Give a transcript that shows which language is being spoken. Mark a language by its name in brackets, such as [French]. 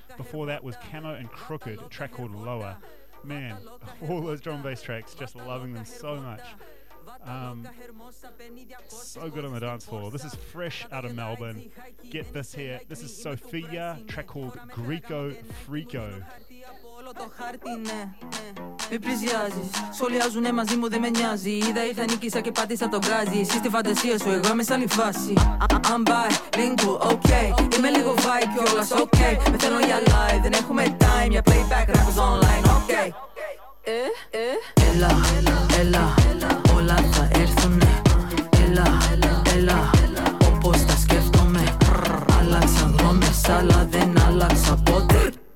[English] Before that was Camo and Crooked, a track called Lower. Man, all those drum and bass tracks, just loving them so much. So good on the dance floor. This is fresh out of Melbourne. Get this here. This is Sophia, track called Greco Freako. [Greek] Όλο το χάρτη, ναι. Μην πλησιάζει. Σχολιάζουν μαζί μου, δεν με νοιάζει. Είδα ήρθα νίκησα και πάτησα το γκράζι. Εσύ στη φαντασία σου, εγώ είμαι σε άλλη φάση. [English] I'm by, Ringo, ok. [Greek] Είμαι λίγο βάη και όλα, ok. Με θέλω για live, δεν έχουμε time. Για playback, rappers online, ok. Έλα, έλα, όλα θα έρθουνε. Έλα, έλα, όπως τα σκέφτομαι. Άλλαξα γνώμες, αλλά δεν άλλαξα ποτέ.